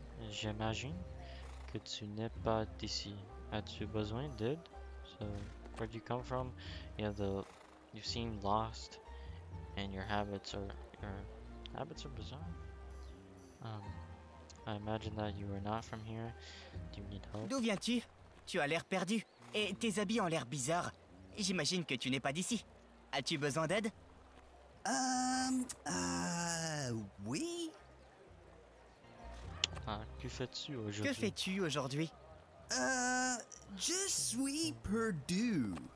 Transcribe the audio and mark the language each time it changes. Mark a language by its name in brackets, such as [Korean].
[French] J'imagine que tu n'es pas d'ici. As-tu besoin d'aide? [English] So, where do you come from? You seem lost and your habits are bizarre. I imagine that you are not from here. Do you need help? [French] D'où viens-tu? Tu as l'air perdu. Et tes habits ont l'air bizarres. J'imagine que tu n'es pas d'ici. As-tu besoin d'aide? Oui. Que fais-tu aujourd'hui? Que fais-tu aujourd'hui? Je suis perdu.